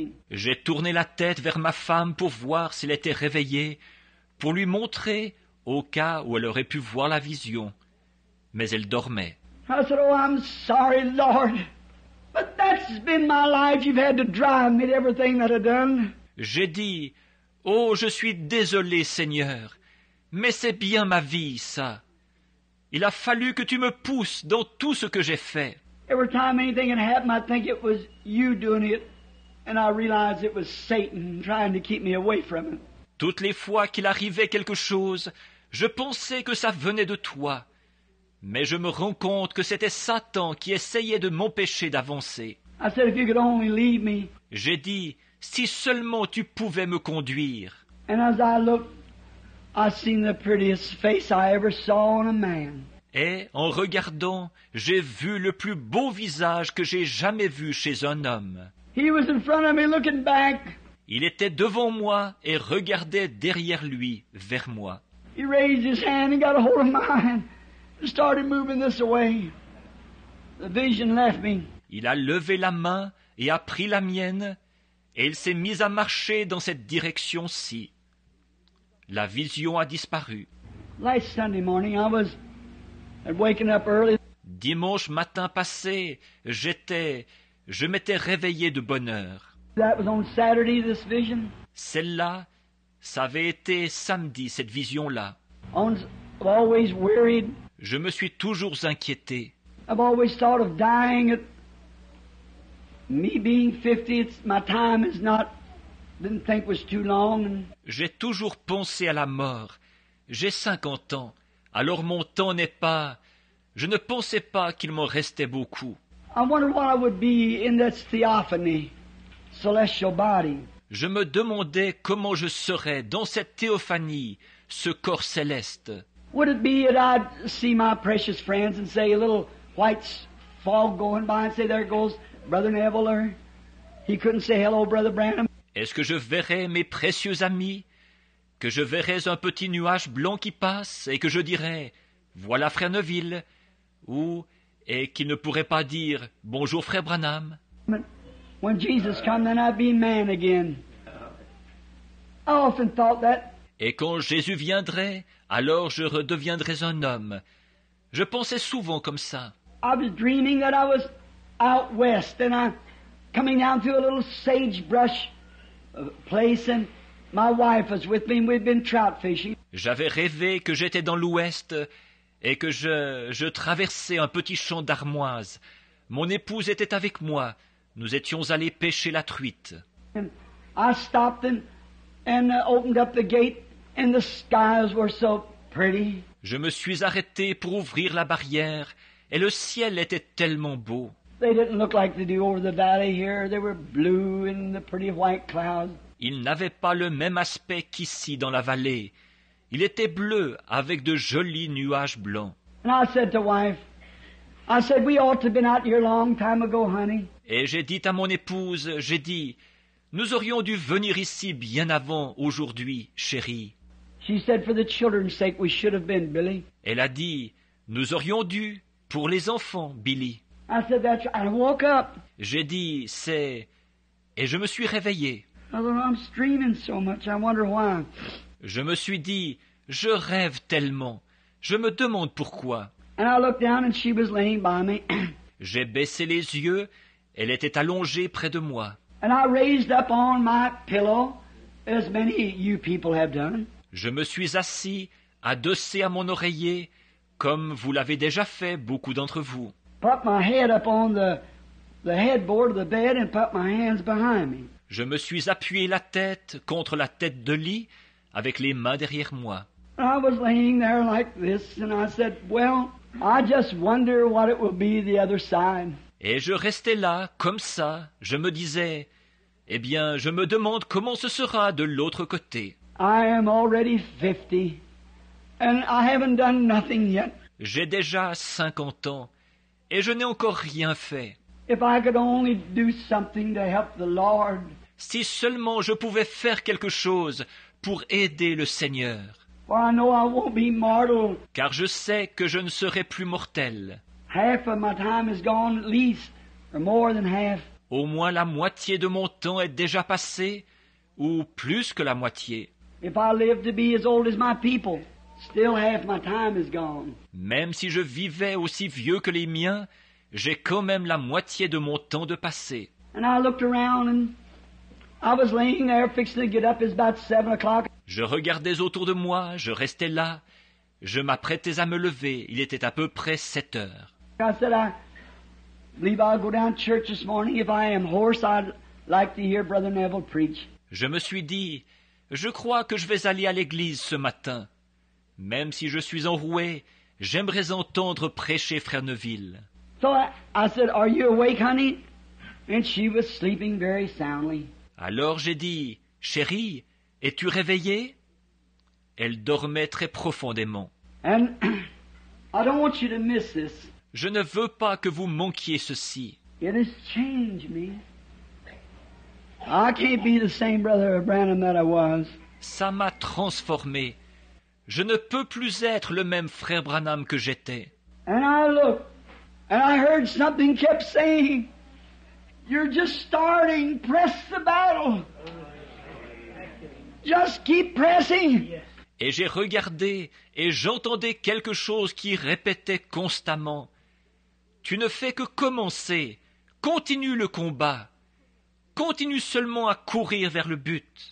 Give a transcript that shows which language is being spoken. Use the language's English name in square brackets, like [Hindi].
[French] J'ai tourné la tête vers ma femme pour voir s'il était réveillé, pour lui montrer au cas où elle aurait pu voir la vision. Mais elle dormait. [English] I said, oh, I'm sorry, Lord, but that's been my life. You've had to drive me to everything that I've done. [French] J'ai dit, oh, je suis désolé, Seigneur, mais c'est bien ma vie, ça. Il a fallu que tu me pousses dans tout ce que j'ai fait. [English] Every time anything had happened, I think it was you doing it, and I realized it was Satan trying to keep me away from it. [French] Toutes les fois qu'il arrivait quelque chose, je pensais que ça venait de toi. Mais je me rends compte que c'était Satan qui essayait de m'empêcher d'avancer. [English] I said, if you could only leave me. [French] J'ai dit, si seulement tu pouvais me conduire. [English] And as I looked, I seen the prettiest face I ever saw on a man. [French] Et en regardant, j'ai vu le plus beau visage que j'ai jamais vu chez un homme. [English] He was in front of me looking back. [French] Il était devant moi et regardait derrière lui vers moi. [English] He raised his hand and got a hold of mine. Started moving this away. The vision left me. [French] Il a levé la main et a pris la mienne et il s'est mis à marcher dans cette direction-ci. La vision a disparu. [English] Last Sunday morning, I was waking up early. [French] Dimanche matin passé, je m'étais réveillé de bonne heure. [English] That was on Saturday, this vision. [French] Celle-là, ça avait été samedi, cette vision-là. [English] I'm always worried. [French] Je me suis toujours inquiété. [English] I've always thought of dying. Me being 50, my time is not. Didn't think was too long. [French] J'ai toujours pensé à la mort. J'ai 50 ans. Alors mon temps n'est pas. Je ne pensais pas qu'il m'en restait beaucoup. [English] I wonder what I would be in that theophany, celestial body. [French] je me demandais comment je serais dans cette théophanie, ce corps céleste. [English] Would it be that I'd see my precious friends and say a little white fog going by and say, there goes Brother Neville, or he couldn't say hello, Brother Branham. [French] Est-ce que je verrais mes précieux amis, que je verrais un petit nuage blanc qui passe et que je dirais, voilà Frère Neville, ou, et qu'il ne pourrait pas dire, bonjour Frère Branham. [English] When Jesus come, then I'd be man again. I often thought that. [French] Et quand Jésus viendrait, alors je redeviendrais un homme. Je pensais souvent comme ça. [English] I was dreaming that I was out west and I'm coming down through a little sagebrush place and my wife was with me and we'd been trout fishing. [French] J'avais rêvé que j'étais dans l'ouest et que je traversais un petit champ d'armoise. Mon épouse était avec moi. Nous étions allés pêcher la truite. [English] And I stopped and opened up the gate and the skies were so pretty. [French] Je me suis arrêté pour ouvrir la barrière et le ciel était tellement beau. [English] They didn't look like they do over the valley here. They were blue in the pretty white clouds. [French] Ils n'avaient pas le même aspect qu'ici dans la vallée. Il était bleu avec de jolis nuages blancs. [English] And I said to wife, I said, we ought to have been out here long time ago, honey. [French] Et j'ai dit à mon épouse, j'ai dit, nous aurions dû venir ici bien avant aujourd'hui, chérie. [English] She said, for the children's sake, we should have been, Billy. [French] Elle a dit, nous aurions dû pour les enfants, Billy. [English] I said, that's right. I woke up. [French] J'ai dit, c'est, et je me suis réveillé. [English] Although I'm dreaming so much, I wonder why. [French] Je me suis dit, je rêve tellement, je me demande pourquoi. [English] And I looked down and she was laying by me. [French] J'ai baissé les yeux, elle était allongée près de moi. [English] And I raised up on my pillow, as many you people have done. [French] Je me suis assis, adossé à mon oreiller, comme vous l'avez déjà fait beaucoup d'entre vous. [English] Put my head up on the headboard of the bed and put my hands behind me. [French] Je me suis appuyé la tête contre la tête de lit avec les mains derrière moi. [English] I was laying there like this and I said, well, I just wonder what it will be the other side. [French] Et je restais là comme ça, je me disais, eh bien, je me demande comment ce sera de l'autre côté. [English] I am already 50 and I haven't done nothing yet. [French] J'ai déjà 50 ans. Et je n'ai encore rien fait. [English] If I could only do something to help the Lord. [French] Si seulement je pouvais faire quelque chose pour aider le Seigneur. [English] For I know I won't be mortal. [French] Car je sais que je ne serai plus mortel. [English] Half of my time is gone at least, or more than half. [French] Au moins la moitié de mon temps est déjà passée, ou plus que la moitié. [English] If I live to be as old as my people. Still half my time is gone. [French] Même si je vivais aussi vieux que les miens, j'ai quand même la moitié de mon temps de passé. [English] And I looked around and I was laying there fixing to get up. It's about 7 o'clock. [French] Je regardais autour de moi, je restais là, je m'apprêtais à me lever. Il était à peu près 7 heures. [English] I said, I believe I'll go down to church this morning. If I am hoarse, I'd like to hear Brother Neville preach. [French] Je me suis dit, je crois que je vais aller à l'église ce matin. Même si je suis enroué, j'aimerais entendre prêcher Frère Neville. [English] So I said, are you awake, honey? And she was sleeping very soundly. [French] Alors j'ai dit, chérie, es-tu réveillée? Elle dormait très profondément. [English] And I don't want you to miss this. [French] Je ne veux pas que vous manquiez ceci. [English] It has changed me. I can't be the same brother of Branham that I was. [French] Ça m'a transformé. Je ne peux plus être le même frère Branham que j'étais. [English] And I looked, and I heard something kept saying, you're just starting, press the battle. Just keep pressing. [French] Et j'ai regardé, et j'entendais quelque chose qui répétait constamment. Tu ne fais que commencer. Continue le combat. Continue seulement à courir vers le but.